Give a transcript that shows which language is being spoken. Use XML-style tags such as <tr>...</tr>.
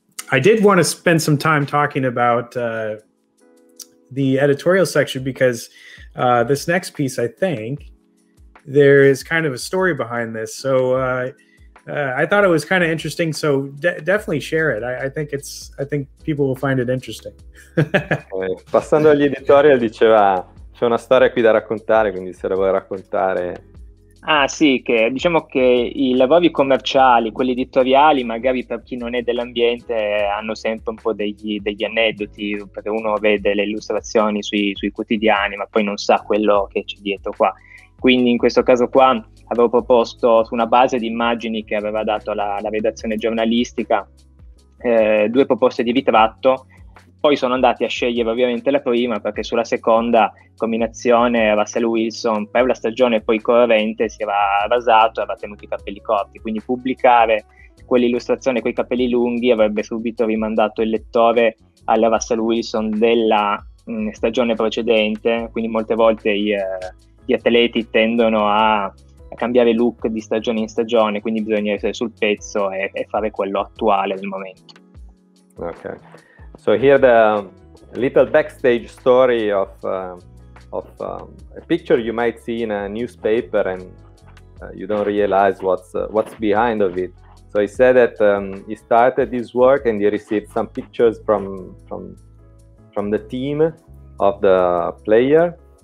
<en>I did want to spend some time talking about the editorial section, because this next piece, I think, there is kind of a story behind this, so I thought it was kind of interesting. So definitely share it. I think people will find it interesting.</en> <it>Passando agli editorial, diceva c'è una storia qui da raccontare, quindi se la vuoi raccontare. Ah sì, che diciamo che i lavori commerciali, quelli editoriali, magari per chi non è dell'ambiente hanno sempre un po' degli aneddoti, perché uno vede le illustrazioni sui quotidiani, ma poi non sa quello che c'è dietro qua. Quindi in questo caso qua avevo proposto, su una base di immagini che aveva dato la redazione giornalistica, due proposte di ritratto. Poi sono andati a scegliere ovviamente la prima, perché sulla seconda combinazione Russell Wilson per la stagione poi corrente si era rasato e aveva tenuto i capelli corti. Quindi pubblicare quell'illustrazione con i capelli lunghi avrebbe subito rimandato il lettore alla Russell Wilson della stagione precedente. Quindi molte volte gli atleti tendono a cambiare look di stagione in stagione, quindi bisogna essere sul pezzo e fare quello attuale del momento.</it> <en>Ok, so here the little backstage story of a picture you might see in a newspaper and you don't realize what's behind of it. So he said that he started this work and he received some pictures from the team of the player.</en>